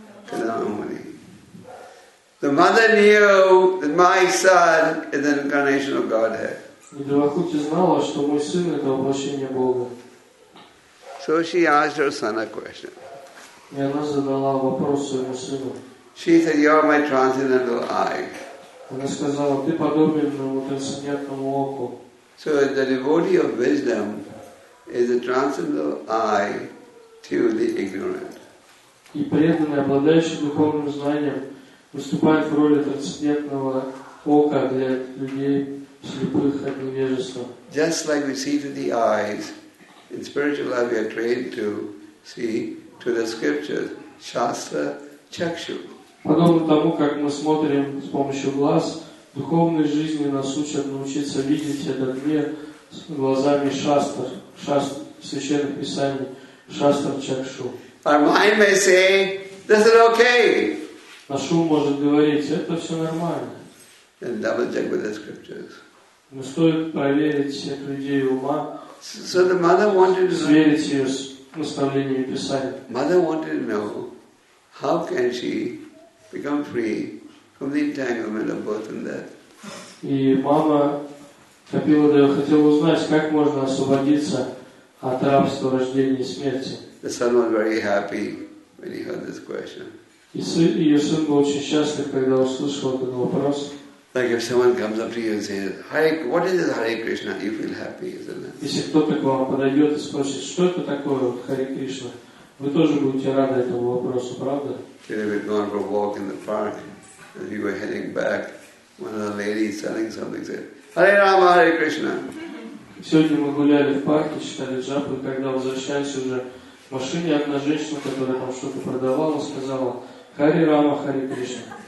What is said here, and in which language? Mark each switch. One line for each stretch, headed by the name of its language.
Russian: Кадамуни.
English: The mother knew that my son is an incarnation of Godhead.
Russian: И Девахути знала, что мой сын это воплощение Бога.
English: So she asked her son a question.
Russian: И она задала вопрос своему сыну.
English: She said, "You are my transcendental eye."
Russian: Она сказала, ты подобен моему трансцендентному оку.
English: So the devotee of wisdom is a transcendental eye to the ignorant.
Russian: И преданный, обладающий духовным знанием, выступает в роли трансцендентного ока для людей слепых от невежества.
English: Just like we see through the eyes, in spiritual life we are trained to see to the scriptures, shastra, chakshu.
Russian: Подобно тому, как мы смотрим с помощью глаз, в духовной жизни нас учат научиться видеть этот мир глазами шастр, священных писаний, шастр чакшу.
English: Our mind may say, this is okay.
Russian: Наш ум может говорить, это все нормально.
English: And double check with the scriptures.
Russian: Но стоит проверить всех людей ума,
English: so the mother wanted to
Russian: сверить ее с наставлениями писания.
English: Mother wanted to know, how can she become free from the entanglement of birth and death.
Russian: И мама Капила Дева хотела узнать, как можно освободиться от рабства, рождения и смерти.
English: The son was very happy when he heard this question.
Russian: Ее сын был очень счастлив, когда услышал этот вопрос.
English: Like if someone comes up to you and says, Hare, what is this Hare Krishna? You feel happy, isn't it?
Russian: Если кто-то к вам подойдет и спросит, что это такое Харе Кришна, вы тоже будете рады этому вопросу, правда?
English: Today we're going for a walk in the park, and we were heading back. One of the ladies selling something said, Hare Rama, Hare Krishna.
Russian: Сегодня мы гуляли в парке, читали джапу, и когда возвращались уже в машине, одна женщина, которая там что-то продавала, сказала, Hare Rama, Hare Krishna.